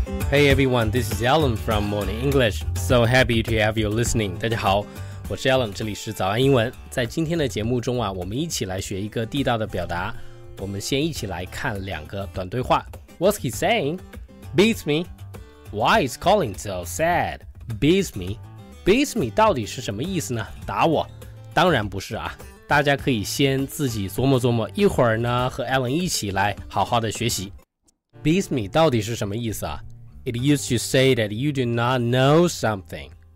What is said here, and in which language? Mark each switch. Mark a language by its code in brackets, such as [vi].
[en] Hey everyone, this is Alan from Morning English. [zh] So happy to have you listening. 大家好，我是 Alan， 这里是早安英文。在今天的节目中啊，我们一起来学一个地道的表达。我们先一起来看两个短对话。 [en] What's he saying? Beats me. Why is calling so sad? Beats me. [zh] Beats me 到底是什么意思呢？打我？当然不是啊。大家可以先自己琢磨琢磨，一会儿呢和 Alan 一起来好好的学习。 Beats me 到底是什么意思啊？ [en] It used to say that you do not know something.